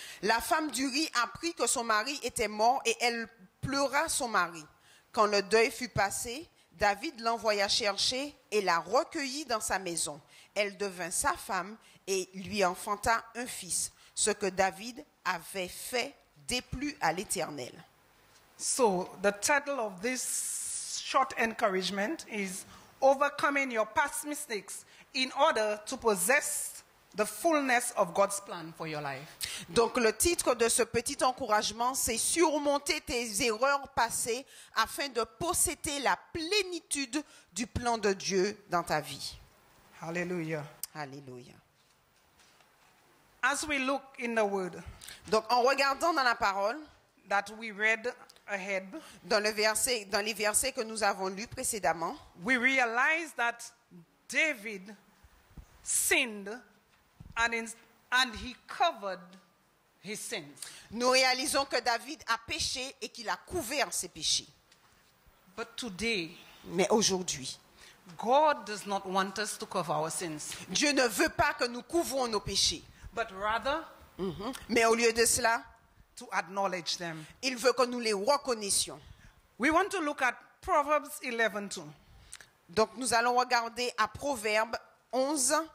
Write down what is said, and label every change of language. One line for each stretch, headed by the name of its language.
French: La femme d'Uri apprit que son mari était mort et elle pleura son mari. Quand le deuil fut passé, David l'envoya chercher et la recueillit dans sa maison. Elle devint sa femme et lui enfanta un fils. Ce que David avait fait déplut à l'Éternel.
English: So, the title of this short encouragement is Overcoming Your Past Mistakes in Order to Possess the Fullness of God's Plan for Your Life.
French: Donc, le titre de ce petit encouragement, c'est Surmonter tes erreurs passées afin de posséder la plénitude du plan de Dieu dans ta vie. Alléluia. Alléluia.
English: As we look in the word,
French: donc en regardant dans la parole,
English: that we read ahead,
French: dans les versets que nous avons lus précédemment,
English: we realize that David sinned and he covered his sins.
French: Nous réalisons que David a péché et qu'il a couvert ses péchés.
English: But today,
French: mais aujourd'hui,
English: God does not want us to cover our sins.
French: Dieu ne veut pas que nous couvrons nos péchés.
English: But rather,
French: mais au lieu de cela,
English: to acknowledge them.
French: Il veut que nous les reconnaissions.
English: We want to look at Proverbs 11:2.
French: Donc nous allons regarder à Proverbe 11.